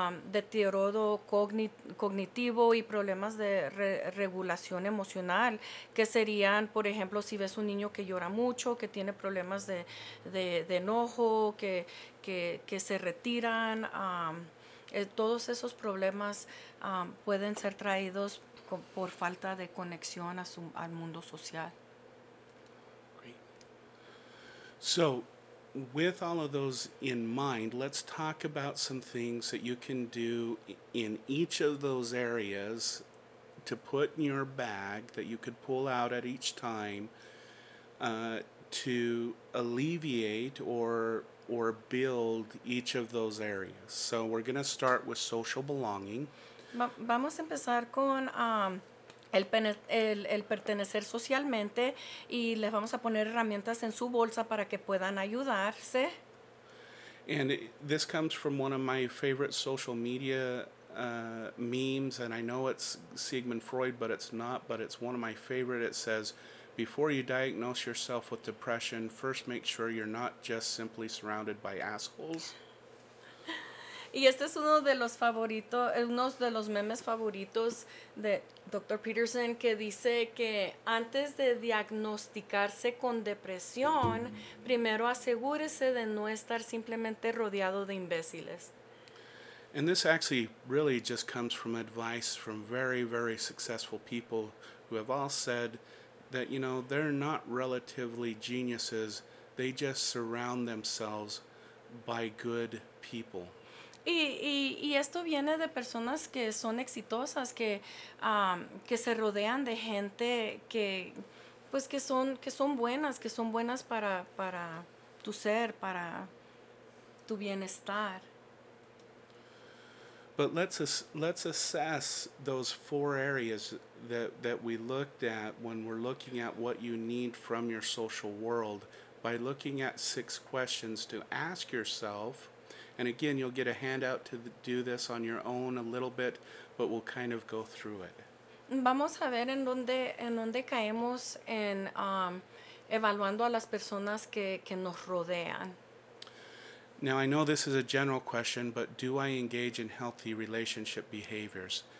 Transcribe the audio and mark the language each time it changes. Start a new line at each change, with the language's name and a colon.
Spanish: deterioro cognitivo y problemas de regulación emocional, que serían, por ejemplo, si ves un niño que llora mucho, que tiene problemas de enojo, que se retiran, todos esos problemas pueden ser traídos por falta de conexión al mundo social.
English: Great. So, with all of those in mind, let's talk about some things that you can do in each of those areas to put in your bag that you could pull out at each time to alleviate or build each of those areas. So we're going to start with social belonging.
Spanish: Vamos a empezar con el pertenecer socialmente y les vamos a poner herramientas en su bolsa para que puedan ayudarse.
English: And this comes from one of my favorite social media memes, and I know it's Sigmund Freud, but it's not, but it's one of my favorite. It says, before you diagnose yourself with depression, first make sure you're not just simply surrounded by assholes.
Spanish: Y este es uno de los favoritos, uno de los memes favoritos de Dr. Peterson, que dice que antes de diagnosticarse con depresión, primero asegúrese de no estar simplemente rodeado de imbéciles.
English: And this actually really just comes from advice from very, very successful people who have all said that, you know, they're not relatively geniuses, they just surround themselves by good people.
Spanish: Y esto viene de personas que son exitosas, que se rodean de gente que son buenas para tu ser, para tu bienestar.
English: But let's assess those four areas that we looked at when we're looking at what you need from your social world by looking at 6 questions to ask yourself. And again, you'll get a handout to do this on your own a little bit, but we'll kind of go through it.
Spanish: Vamos a ver en donde caemos en evaluando a las personas que nos rodean.
English: Now, I know this is a general question, but do I engage in healthy relationship behaviors?